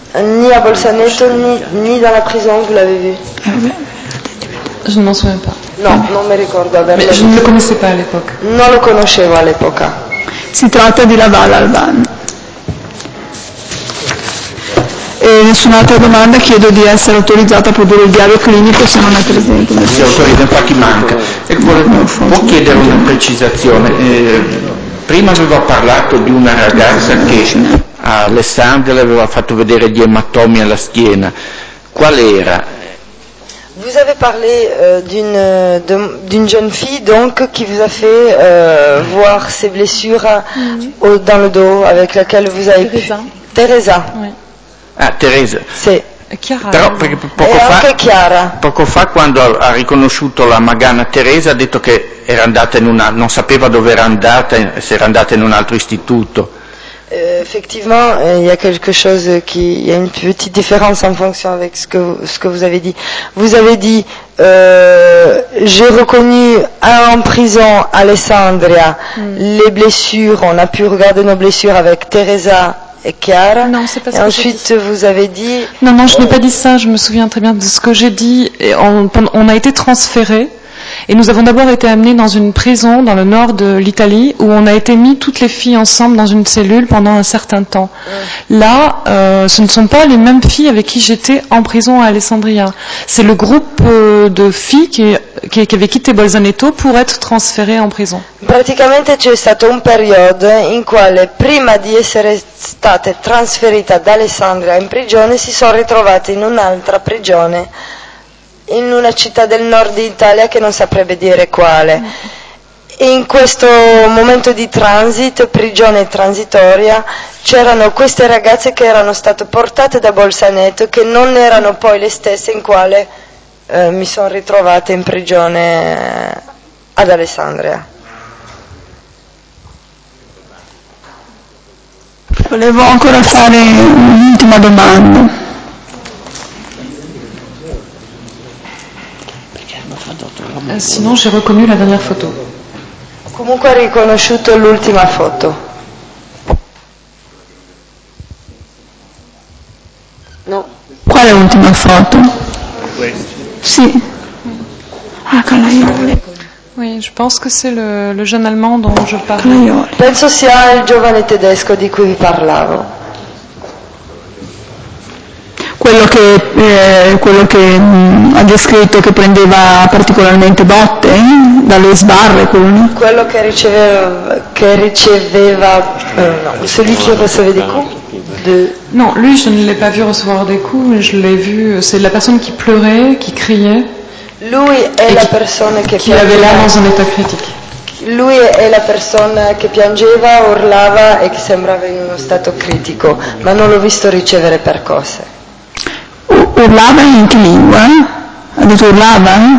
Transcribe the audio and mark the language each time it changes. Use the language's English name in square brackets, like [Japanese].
[French] Ni à Bolzaneto, ni dans la prison, vous l'avez vu. Je ne m'en souviens pas. [Italian] Non, non me ricordo. [French] Mais je ne le connaissais pas à l'époque. [Italian] Non lo conoscevo all'epoca. Si tratta di Laval Alban. E nessun'altra domanda, chiedo di essere autorizzata a produrre il diario clinico se non è presente. Sì, autorizza, infatti manca. E vorrei, può chiedere una precisazione? Prima aveva parlato di una ragazza che a Alessandria le aveva fatto vedere gli ematomi alla schiena. Qual era? [French] Vous avez parlé d'une jeune fille donc qui vous a fait voir ses blessures dans le dos avec laquelle vous avez [Italian] Teresa. Ah, Teresa. [French] C'est [Italian] Chiara. Però perché poco fa, anche Chiara. Poco fa quando ha riconosciuto la Magana Teresa ha detto che era andata in una, non sapeva dove era andata, se era andata in un altro istituto. [French] Effectivement, il y a quelque chose qui, il y a une petite différence en fonction avec ce que vous avez dit. Vous avez dit, j'ai reconnu en prison Alessandria les blessures. On a pu regarder nos blessures avec Teresa. Et Chiara. Non, c'est pas ça. Et ensuite, vous avez dit. Non, je n'ai pas dit ça. Je me souviens très bien de ce que j'ai dit. Et on a été transférés. Et nous avons d'abord été amenés dans une prison dans le nord de l'Italie où on a été mis toutes les filles ensemble dans une cellule pendant un certain temps. Là, ce ne sont pas les mêmes filles avec qui j'étais en prison à Alessandria. C'est le groupe de filles qui avait quitté Bolzaneto pour être transférées en prison. [Italian] Praticamente c'è stato un periodo in quale prima di essere state trasferite da Alessandria in prigione si sono ritrovate in un'altra prigione. In una città del nord Italia che non saprebbe dire quale. In questo momento di transito, prigione transitoria, c'erano queste ragazze che erano state portate da Bolzaneto, che non erano poi le stesse in quale mi sono ritrovata in prigione ad Alessandria. Volevo ancora fare un'ultima domanda. [French] Sinon, j'ai reconnu la dernière photo. [Italian] Comunque, ho riconosciuto l'ultima foto. No. Qual è l'ultima foto? Questa. Sì. Ah, Calaioli. [French] Oui, je pense que c'est le jeune allemand dont je parlais. [Italian] Penso sia il giovane tedesco di cui vi parlavo. Quello che ha descritto che prendeva particolarmente botte dalle sbarre, quello che riceveva [French] celui qui recevait des coups. Non, lui je ne l'ai pas vu recevoir des coups, mais je l'ai vu, c'est la personne qui pleurait, qui criait. [Italian] Lui è la persona che piangeva, urlava e che sembrava in uno stato critico, ma non l'ho visto ricevere percosse. Urlava in che lingua? Ha detto urlava?